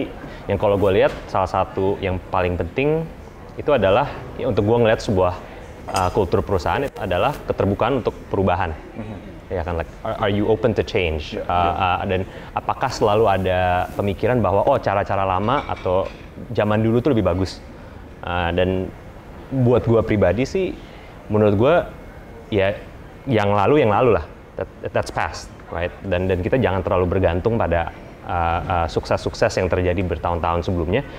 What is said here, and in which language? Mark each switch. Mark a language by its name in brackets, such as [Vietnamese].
[Indonesian] Jadi yang kalau gue lihat salah satu yang paling penting itu adalah ya, untuk gue ngelihat sebuah kultur perusahaan itu adalah keterbukaan untuk perubahan. Ya kan, [English] like are you open to change? [Indonesian] Dan apakah selalu ada pemikiran bahwa oh cara-cara lama atau zaman dulu tuh lebih bagus? Dan buat gue pribadi sih, menurut gue ya yang lalu lah, [English] that's past, right? [Indonesian] Dan kita jangan terlalu bergantung pada sukses-sukses yang terjadi bertahun-tahun sebelumnya.